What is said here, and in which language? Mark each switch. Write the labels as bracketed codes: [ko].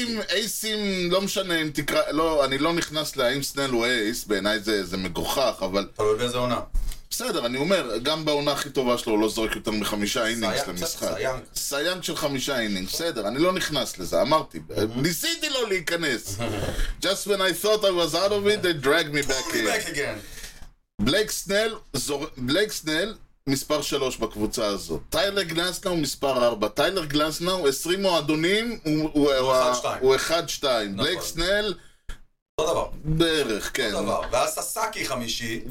[he] אייסים, לא משנה אם תקרא, לא, אני לא נכנס להאם סנל הוא אייס, בעיניי זה מגוחך, אבל... אתה לא יודע איזה עונה. בסדר, אני אומר, גם בעונה הכי טובה שלו הוא לא זורק יותר מחמישה אינינגס למשחק. סיינג של חמישה אינינגס, בסדר, אני לא נכנס לזה, אמרתי, ניסיתי לו להיכנס. [en] Just when I thought I was out of it, they dragged me back in. [he] בלייק סנל, בלייק סנל, מספר 3 בקבוצה הזו. טיילר גלזנאו, מספר 4. טיילר גלזנאו, 20 מועדונים, הוא 1-2. בלייק סנל, בערך, כן. ואז ססאקי חמישי.